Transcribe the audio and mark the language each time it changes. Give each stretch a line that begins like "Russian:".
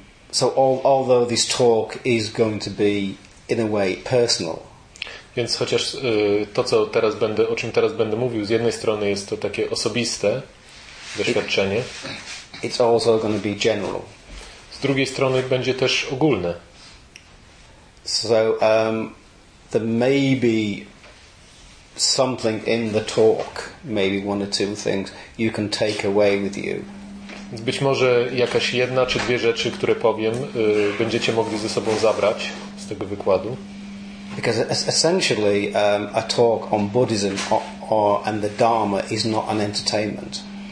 English: So although this talk is going to be in a way personal.
Polish: Więc chociaż to, co teraz będę, o czym teraz będę mówił, z jednej strony jest to takie osobiste doświadczenie.
English: It's also going to be general.
Polish: Z drugiej strony będzie też ogólne.
English: So there may be something in the talk, maybe one or two things you can take away with you.
Polish: Być może jakaś jedna czy dwie rzeczy, które powiem, będziecie mogli ze sobą zabrać z tego wykładu.
English: Because essentially a talk on Buddhism and the Dharma is not an entertainment.